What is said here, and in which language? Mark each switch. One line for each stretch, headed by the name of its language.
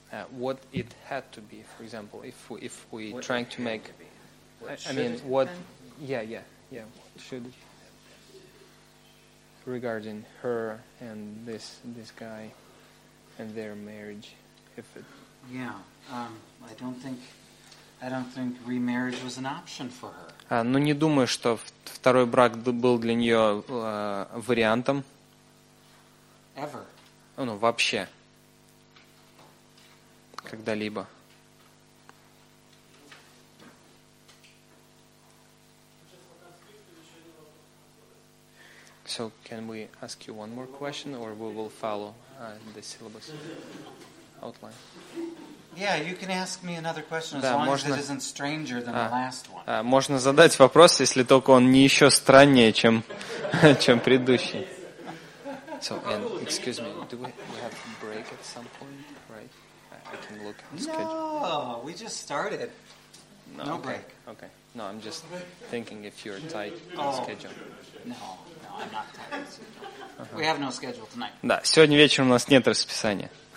English: What it had to be, for example, if we what trying to make, to I mean, what, happen? yeah, what should it regarding her and this guy and their marriage, if it. Yeah. I don't think remarriage was an option for her.
Russian: Ну не думаю, что второй брак был для нее вариантом.
English: Ever.
Russian: Ну вообще. Когда-либо.
English: So can we ask you one more question, or we will follow the syllabus outline? Yeah, you can ask me another question as long
Russian: можно,
English: as it isn't stranger than the last one.
Russian: Можно задать вопрос, если только он не еще страннее, чем предыдущий.
English: So, and excuse me, do we have a break at some point, right? I can look at the schedule. No, we just started. No, break. Okay. No, I'm just thinking if you're tight on schedule. No, I'm not tight. Uh-huh. We have no schedule tonight.
Russian: Да, сегодня вечером у нас нет расписания.